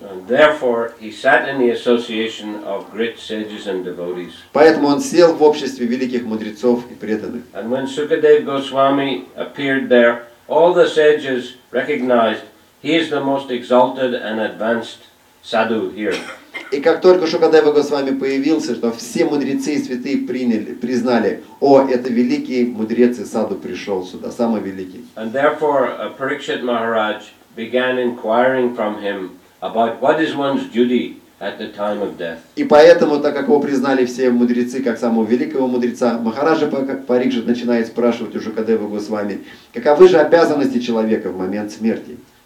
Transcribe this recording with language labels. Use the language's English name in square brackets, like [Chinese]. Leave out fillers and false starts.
[English] And therefore he sat in the association of great sages and devotees. [Russian] Поэтому он сел в обществе великих мудрецов и преданных. [English] And when Sukadev Goswami appeared there, all the sages recognized he is the most exalted and advanced sadhu here. [Russian] И как только Шукадева Госвами появился, что все мудрецы и святые приняли, признали, о, это великий мудрец и саду пришел сюда, самый великий. [English] And therefore, Parikshit Maharaj began inquiring from him about what is one's duty at the time of death. [Russian] И поэтому, так как его признали все мудрецы как самого великого мудреца, Махараджа Парикшит начинает спрашивать у Шукадева Госвами, каковы же обязанности человека в момент смерти?